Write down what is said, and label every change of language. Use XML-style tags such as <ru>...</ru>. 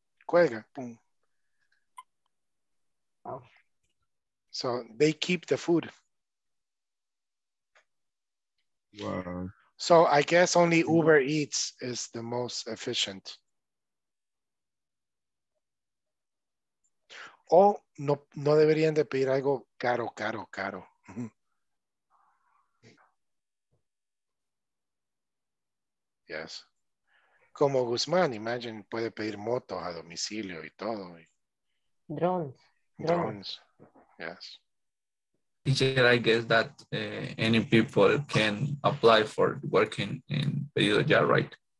<es>Cuelga. Boom.</es> <en>So they keep the food. Wow. So I guess only Uber Eats is the most efficient.</en> <es>O no, no deberían de pedir algo caro, caro, caro.</es> <en>Yes.</en> <es>Como Guzmán, imagine, puede pedir motos a domicilio y todo.</es> <en>Drones. Yes. Teacher, I guess that any people can apply for working in pedido ya, right?</en>